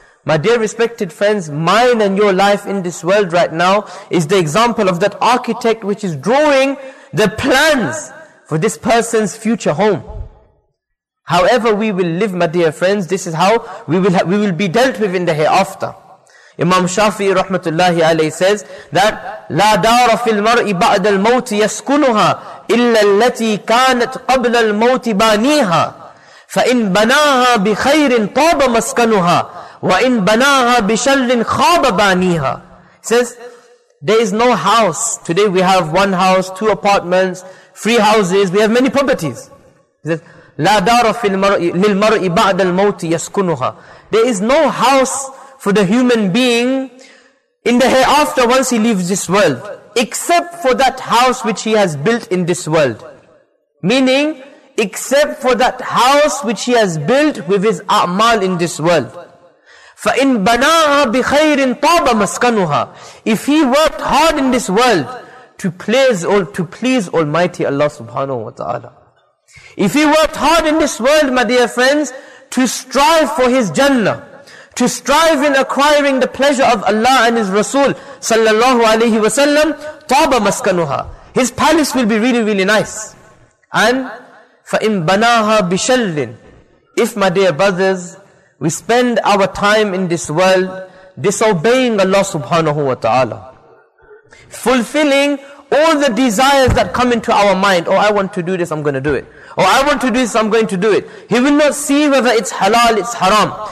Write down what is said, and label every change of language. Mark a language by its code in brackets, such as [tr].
[en] My dear respected friends, mine and your life in this world right now is the example of that architect which is drawing the plans for this person's future home. However we will live, my dear friends, this is how we will be dealt with in the hereafter. Imam Shafi'i rahmatullahi alayhi says that [ar] لا دار في المرء بعد الموت يسكنها إلا التي كانت قبل الموت بانيها فإن بناها بخير طاب مسكنها وإن بناها بشر خاب بانيها. [en] Says there is no house. Today we have one house, two apartments, three houses. We have many properties. He says [ar] لا دار في المرء للمرء بعد الموت يسكنها. [en] There is no house for the human being in the hereafter once he leaves this world, except for that house which he has built in this world. Meaning, except for that house which he has built with his a'mal in this world. [ar] فَإِن بَنَاهَا بِخَيْرٍ طَابَ مَسْكَنُهَا. [en] If he worked hard in this world to please Almighty Allah subhanahu wa ta'ala. If he worked hard in this world, my dear friends, to strive for his Jannah, to strive in acquiring the pleasure of Allah and His Rasul sallallahu alayhi wa sallam, [ar] taba maskanuha. [en] His palace will be really, really nice. And [ar] فَإِن بَنَاهَا بِشَلٍ. [en] If, my dear brothers, we spend our time in this world disobeying Allah subhanahu wa ta'ala, fulfilling all the desires that come into our mind, oh, I want to do this, I'm going to do it. Oh, I want to do this, I'm going to do it. He will not see whether it's halal, it's haram.